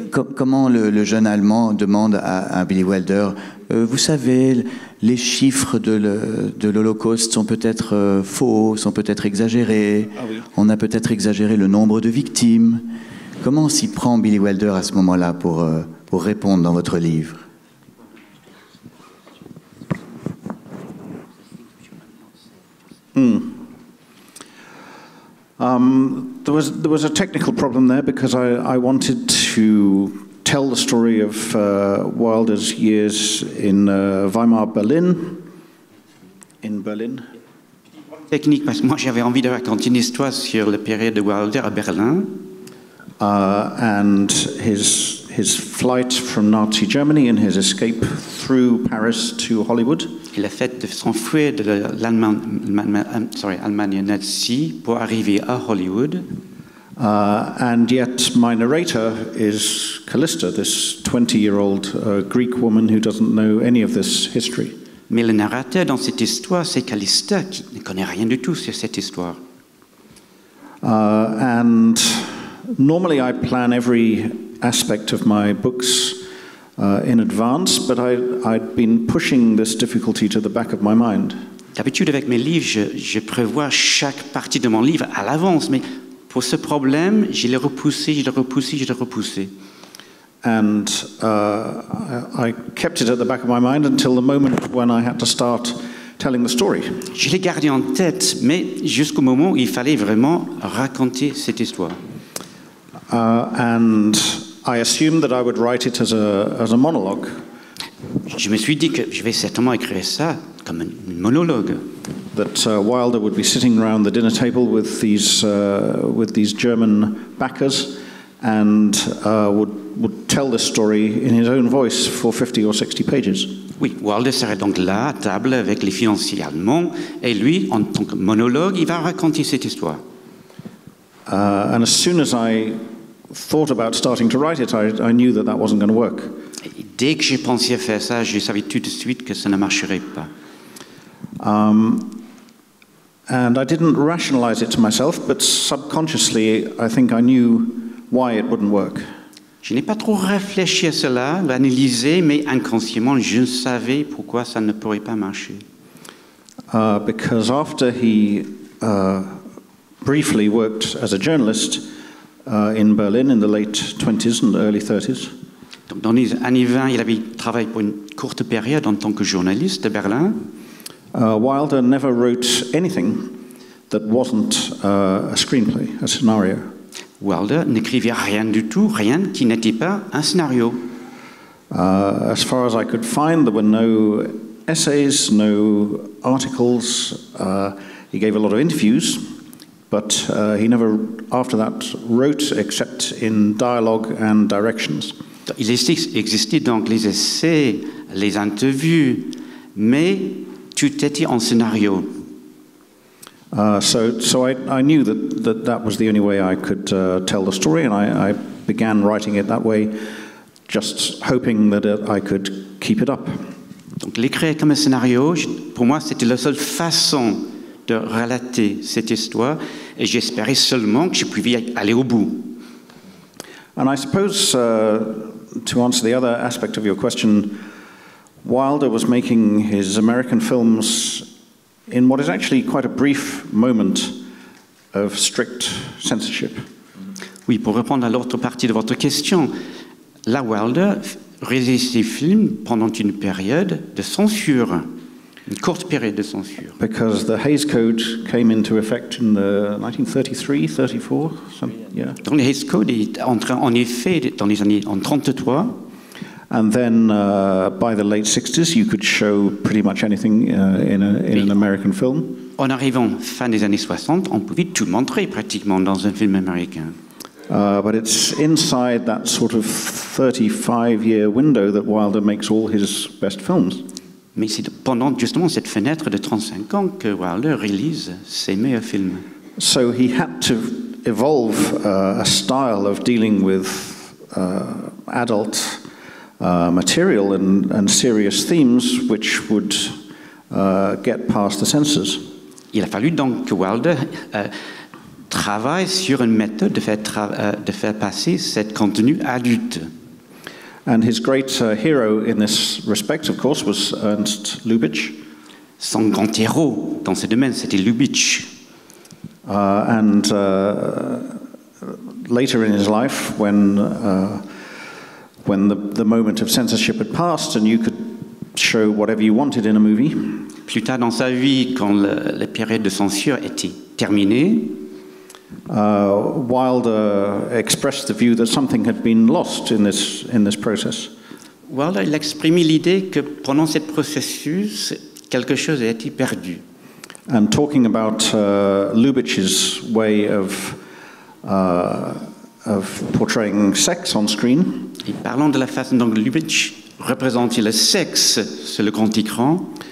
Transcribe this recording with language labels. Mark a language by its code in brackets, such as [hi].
[fr] comment le jeune Allemand demande à Billy Wilder, vous savez, les chiffres de l'Holocauste sont peut-être faux, sont peut-être exagérés, on a peut-être exagéré le nombre de victimes. Comment s'y prend Billy Wilder à ce moment-là pour répondre dans votre livre ? [en] There was a technical problem there because I wanted to tell the story of Wilder's years in Weimar Berlin. In Berlin. [fr] Technique parce que moi j'avais envie de raconter une histoire sur la période de Wilder à Berlin. [en] And his flight from Nazi Germany and his escape through Paris to Hollywood. [fr] Le fait de s'enfuir de l'Allemagne nazie pour arriver à Hollywood. [en] And yet my narrator is Callista, this 20-year-old Greek woman who doesn't know any of this history. [fr] Mais le narrateur dans cette histoire, c'est Callista qui ne connaît rien du tout sur cette histoire. [en] And normally I plan every aspect of my books in advance, but I'd been pushing this difficulty to the back of my mind. [fr] D'habitude avec mes livres, je prévois chaque partie de mon livre à l'avance, mais pour ce problème, je l'ai repoussé, je l'ai repoussé, je l'ai repoussé. [en] And I kept it at the back of my mind until the moment when I had to start telling the story. [fr] Je l'ai gardé en tête, mais jusqu'au moment où il fallait vraiment raconter cette histoire. [en] And I assumed that I would write it as a monologue. [fr] Je me suis dit que je vais certainement écrire ça comme un monologue. [en] That Wilder would be sitting around the dinner table with these German backers and would tell this story in his own voice for 50 or 60 pages. [fr] Oui, Wilder serait donc là à table avec les financiers allemands et lui, en tant que monologue, il va raconter cette histoire. [en] And as soon as I thought about starting to write it, I knew that wasn't going to work. [fr] Dès que j'ai pensé à faire ça, je savais tout de suite que ça ne marcherait pas. [en] And I didn't rationalize it to myself, but subconsciously, I think I knew why it wouldn't work. [fr] Je n'ai pas trop réfléchi à cela, l'analysé, mais inconsciemment, je savais pourquoi ça ne pourrait pas marcher. [en] Because after he briefly worked as a journalist, in Berlin in the late 20s and early 30s. [fr] Donc dans les années 20, il avait travaillé pour une courte période en tant que journaliste à Berlin. [en] Wilder never wrote anything that wasn't a screenplay, a scenario. [fr] Wilder n'écrivait rien du tout, rien qui n'était pas un scénario. [en] As far as I could find, there were no essays, no articles. He gave a lot of interviews. But he never, after that, wrote except in dialogue and directions. [fr] Il existait donc les essais, les interviews, mais tout était en scénario. [en] So I knew that was the only way I could tell the story, and I began writing it that way, just hoping that I could keep it up. [fr] Donc l'écrire comme un scénario, pour moi, c'était la seule façon de relater cette histoire, et j'espérais seulement que je pouvais aller au bout. [en] And I suppose, to answer the other aspect of your question, Wilder was making his American films in what is actually quite a brief moment of strict censorship. [fr] Oui, pour répondre à l'autre partie de votre question, la Wilder réalisait ses films pendant une période de censure. Une courte période de censure. [en] Because the Hays Code came into effect in the 1933, 34, some, yeah. [fr] Donc le Hays Code est entré en effet dans les années en 33. [en] And then by the late 60s, you could show pretty much anything in an American film. [fr] En arrivant fin des années 60, on pouvait tout montrer pratiquement dans un film américain. [en] But it's inside that sort of 35-year window that Wilder makes all his best films. [fr] Mais c'est pendant justement cette fenêtre de 35 ans que Wilder réalise ses meilleurs films. [en] So he had to evolve a style of dealing with adult material and serious themes which would get past the censors. [fr] Il a fallu donc que Wilder travaille sur une méthode de faire passer cette contenu adulte. [en] And his great hero in this respect, of course, was Ernst Lubitsch. [fr] Son grand héros dans ce domaine, c'était Lubitsch. [en] Later in his life, when the moment of censorship had passed and you could show whatever you wanted in a movie. [fr] Plus tard dans sa vie, quand la période de censure était terminée, [en] Wilder expressed the view that something had been lost in this process. [fr] Wilder, il exprimait l'idée que pendant cette processus, quelque chose a été perdu. [en] And talking about Lubitsch's way of portraying sex on screen. [fr] Et parlant de la façon dont Lubitsch représentait le sexe sur le grand écran.